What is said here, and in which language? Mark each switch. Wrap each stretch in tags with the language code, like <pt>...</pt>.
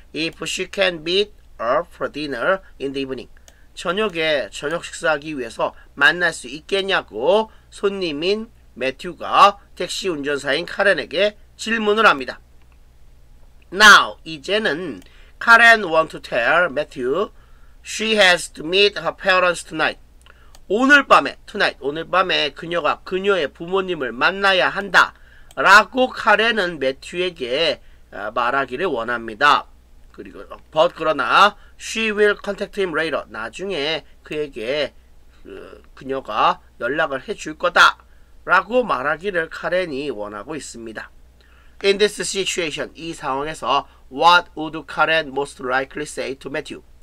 <en>If she can meet her for dinner in the evening.</en> <ko>저녁에 저녁 식사하기 위해서 만날 수 있겠냐고 손님인 매튜가 택시 운전사인 카렌에게 질문을 합니다.</ko> <en>Now,</en> <ko>이제는</ko> <en>카렌 want to tell Matthew she has to meet her parents tonight.</en> <ko>오늘 밤에,</ko> <en>tonight,</en> <ko>오늘 밤에 그녀가 그녀의 부모님을 만나야 한다. 라고 카렌은 매튜에게 말하기를 원합니다. 그리고,</ko> <en>but</en> <ko>그러나</ko> <en>she will contact him later.</en> <ko>나중에 그에게 그녀가 연락을 해줄 거다. 라고 말하기를 카렌이 원하고 있습니다.</ko> <en>In this situation,</en> <ko>이 상황에서</ko> <en>what would Karen most likely say to Matthew?</en>